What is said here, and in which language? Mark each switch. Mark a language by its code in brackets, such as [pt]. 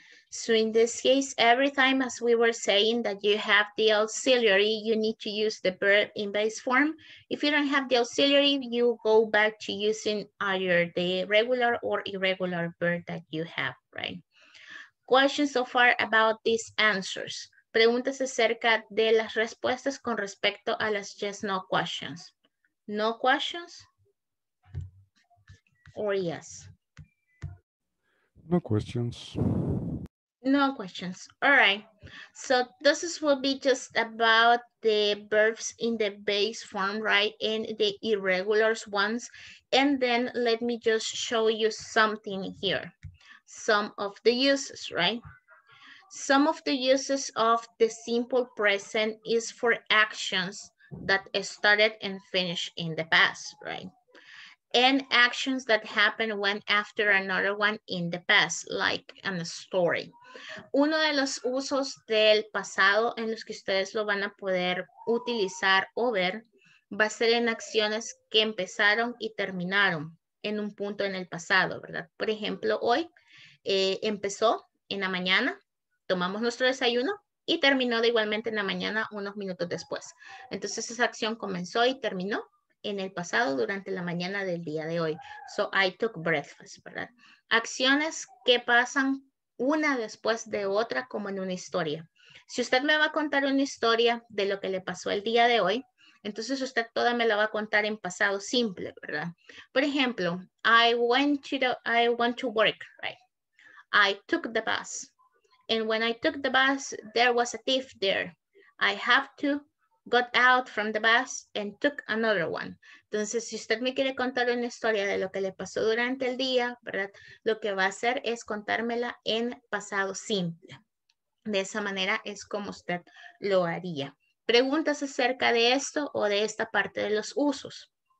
[en] So in this case, every time, as we were saying, that you have the auxiliary, you need to use the verb in base form. If you don't have the auxiliary, you go back to using either the regular or irregular verb that you have, right? Questions so far about these answers. [es] Preguntas acerca de las respuestas con respecto a las [en] yes, no questions. No questions or yes? No questions. No questions. All right. So this is will be just about the verbs in the base form, right? And the irregular ones. And then let me just show you something here. Some of the uses, right? Some of the uses of the simple present is for actions that started and finished in the past, right? And actions that happen one after another one in the past, like in a story. [es] Uno de los usos del pasado en los que ustedes lo van a poder utilizar o ver va a ser en acciones que empezaron y terminaron en un punto en el pasado, ¿verdad? Por ejemplo, hoy empezó en la mañana. Tomamos nuestro desayuno y terminó de igualmente en la mañana unos minutos después. Entonces esa acción comenzó y terminó en el pasado durante la mañana del día de hoy. [en] So I took breakfast, [es] ¿verdad? Acciones que pasan una después de otra como en una historia. Si usted me va a contar una historia de lo que le pasó el día de hoy, entonces usted toda me la va a contar en pasado simple, ¿verdad? Por ejemplo, [en] I went to work, right? I took the bus. And when I took the bus, there was a thief there. I have to got out from the bus and took another one. [es] Entonces, si usted me quiere contar una historia de lo que le pasó durante el día, ¿verdad? Lo que va a hacer es contármela en pasado simple. De esa manera es como usted lo haría. ¿Preguntas acerca de esto o de esta parte de los usos?